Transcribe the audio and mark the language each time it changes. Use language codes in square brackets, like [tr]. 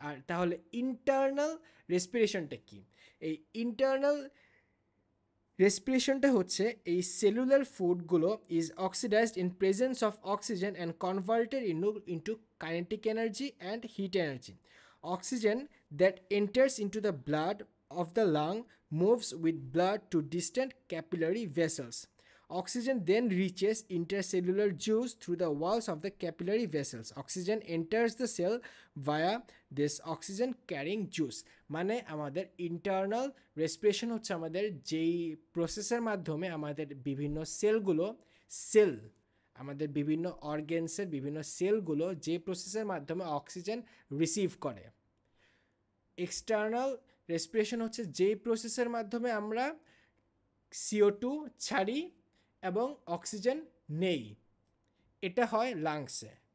[bn] আর তাহলে ইন্টারনাল রেসপিরেশনটা কী? এই ইন্টারনাল রেসপিরেশনটা হচ্ছে এই cellular ফ্লুইডগুলো [en] Is oxidised in presence of oxygen and converted into kinetic energy and heat energy. Oxygen that enters into the blood of the lung moves with blood to distant capillary vessels. Oxygen then reaches intercellular juice through the walls of the capillary vessels. Oxygen enters the cell via this oxygen carrying juice. [bn] মানে আমাদের internal respiration হচ্ছে আমাদের যেই প্রসেসের মাধ্যমে আমাদের বিভিন্ন সেলগুলো, সেল আমাদের বিভিন্ন অর্গেনসের বিভিন্ন সেলগুলো যে প্রসেসের মাধ্যমে অক্সিজেন রিসিভ করে। External respiration হচ্ছে যেই প্রসেসের মাধ্যমে আমরা CO2 ছাড়ি এবং অক্সিজেন নেই, এটা হয় লাংসে।